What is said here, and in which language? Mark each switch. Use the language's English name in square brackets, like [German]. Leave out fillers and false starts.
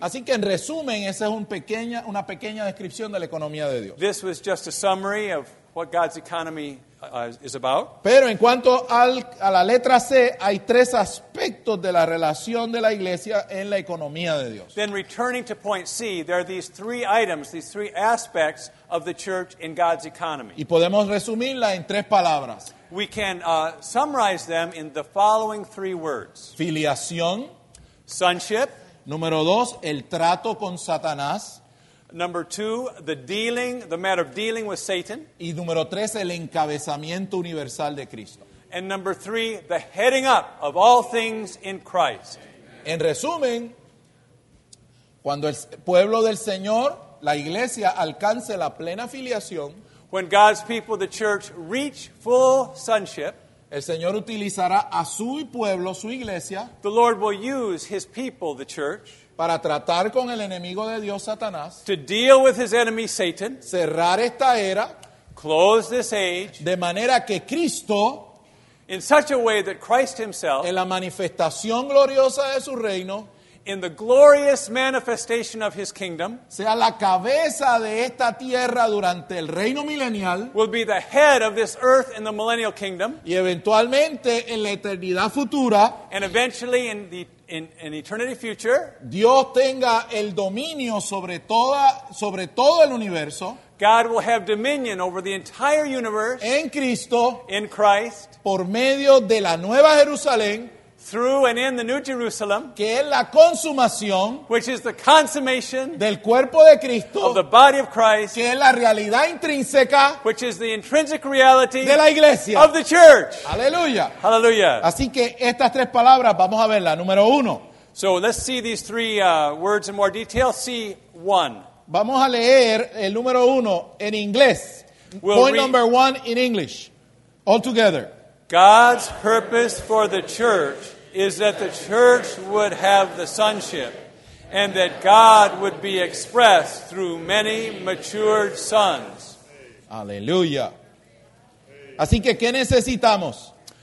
[Spanish] Así que en resumen, esa es una pequeña descripción de la economía de Dios. [English] This was just a summary of what God's economy is about. [Spanish] Pero en cuanto a la letra C, hay tres aspectos de la relación de la iglesia en la economía de Dios. [English] Then returning to point C, there are these three items, these three aspects of the church in God's economy. [Spanish] Y podemos resumirla en tres palabras. [English] We can summarize them in the following three words. [Spanish] Filiación. [English] Sonship. [Spanish] Número dos, el trato con Satanás. [English] Number two, the matter of dealing with Satan. [Spanish] Y número tres, el encabezamiento universal de Cristo. [English] And number three, the heading up of all things in Christ. [Spanish] En resumen, Cuando el pueblo del Señor, la iglesia, alcance la plena filiación, [English] when God's people, the church, reach full sonship, [Spanish] el Señor utilizará a su pueblo, su iglesia, [English] the Lord will use his people, the church, [Spanish] para tratar con el enemigo de Dios, Satanás, [English] to deal with his enemy, Satan, [Spanish] cerrar esta era, [English] close this age, [Spanish] de manera que Cristo, [English] in such a way that Christ himself, [Spanish] en la manifestación gloriosa de su reino, [English] in the glorious manifestation of his kingdom, [Spanish] sea la cabeza de esta tierra durante el reino milenial, [English] will be the head of this earth in the millennial kingdom, [Spanish] y eventualmente en la eternidad futura, [English] and eventually in the in eternity future, [Spanish] Dios tenga el dominio sobre toda, sobre todo el universo. [English] God will have dominion over the entire universe, [Spanish] en Cristo, [English] in Christ, [Spanish] por medio de la Nueva Jerusalén, [English] through and in the New Jerusalem, [Spanish] que es la consumación, [English] which is the consummation, [Spanish] del cuerpo de Cristo, [English] of the body of Christ, [Spanish] que es la realidad intrínseca, [English] which is the intrinsic reality, [Spanish] de la iglesia, [English] of the church. [Spanish] Aleluya. [English] Hallelujah. [Spanish] Así que estas tres palabras, vamos a verla. Número uno. [English] So let's see these three words in more detail. See one. [Spanish] Vamos a leer el número uno en inglés. [English] We'll point number one in English. All together. God's purpose for the church is that the church would have the sonship and that God would be expressed through many matured sons. [Spanish] Aleluya. Así que, ¿qué necesitamos?